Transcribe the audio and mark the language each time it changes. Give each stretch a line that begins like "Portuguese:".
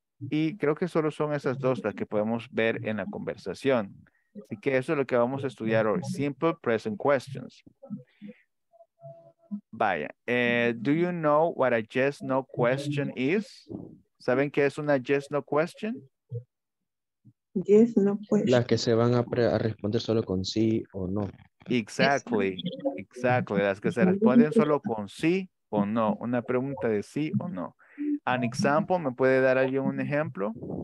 Spanish: Y creo que solo son esas dos las que podemos ver en la conversación. Así que eso es lo que vamos a estudiar hoy.
English: Simple present questions.
Spanish: Vaya.
English: Do you know what a yes no question is?
Spanish: ¿Saben qué es una yes no question?
English: Yes no question.
Spanish: Las que se van a responder solo con sí o no.
English: Exactly. Exactly.
Spanish: Las que se responden solo con sí o no. Una pregunta de sí o no.
English: An example,
Spanish: ¿me puede dar alguien un ejemplo?